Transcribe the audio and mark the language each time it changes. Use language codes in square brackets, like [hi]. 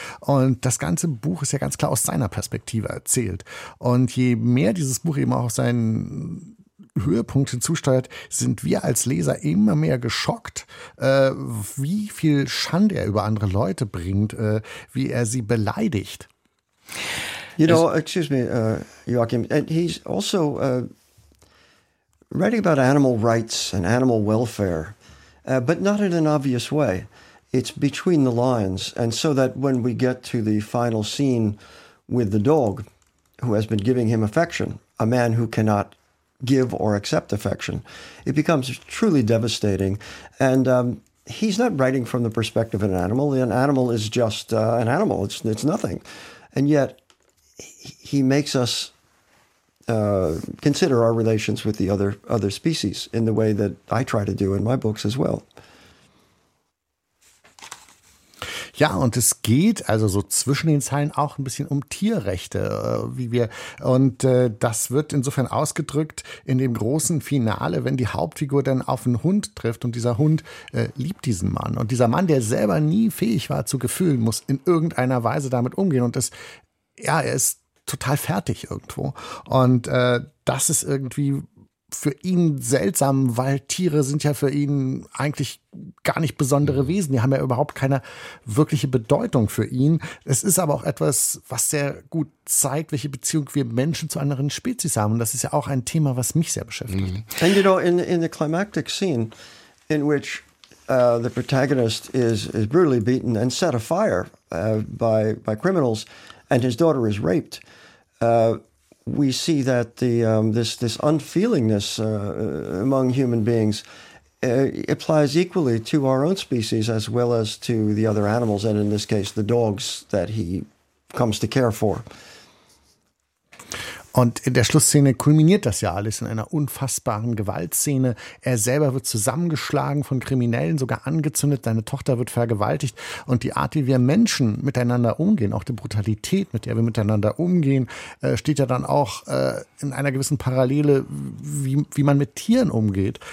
[de] Und das ganze Buch ist ja ganz klar aus seiner Perspektive erzählt. Und je mehr dieses Buch eben auch seinen Höhepunkt hinzusteuert, sind wir als Leser immer mehr geschockt, wie viel Schande er über andere Leute bringt, wie er sie beleidigt. [en] You know, excuse me, Joachim, and he's also writing about animal rights and animal welfare, but not in an obvious way. It's between the lines, and so that when we get to the final scene with the dog, who has been giving him affection, a man who cannot give or accept affection, it becomes truly devastating. And he's not writing from the perspective of an animal. An animal is just an animal. It's nothing. And yet he makes us consider our relations with the other species in the way that I try to do in my books as well. [de] Ja, und es geht also so zwischen den Zeilen auch ein bisschen um Tierrechte, wie wir. Und das wird insofern ausgedrückt in dem großen Finale, wenn die Hauptfigur dann auf einen Hund trifft und dieser Hund liebt diesen Mann. Und dieser Mann, der selber nie fähig war zu Gefühlen, muss in irgendeiner Weise damit umgehen. Und das, ja, er ist total fertig irgendwo. Und das ist irgendwie für ihn seltsam, weil Tiere sind ja für ihn eigentlich gar nicht besondere Wesen. Die haben ja überhaupt keine wirkliche Bedeutung für ihn. Es ist aber auch etwas, was sehr gut zeigt, welche Beziehung wir Menschen zu anderen Spezies haben. Und das ist ja auch ein Thema, was mich sehr beschäftigt. [en] And you know, in the climactic scene, in which the protagonist is brutally beaten and set afire by criminals, and his daughter is raped, we see that the this unfeelingness among human beings applies equally to our own species as well as to the other animals, and in this case, the dogs that he comes to care for. [de] Und in der Schlussszene kulminiert das ja alles in einer unfassbaren Gewaltszene. Er selber wird zusammengeschlagen von Kriminellen, sogar angezündet. Seine Tochter wird vergewaltigt. Und die Art, wie wir Menschen miteinander umgehen, auch die Brutalität, mit der wir miteinander umgehen, steht ja dann auch in einer gewissen Parallele, wie man mit Tieren umgeht.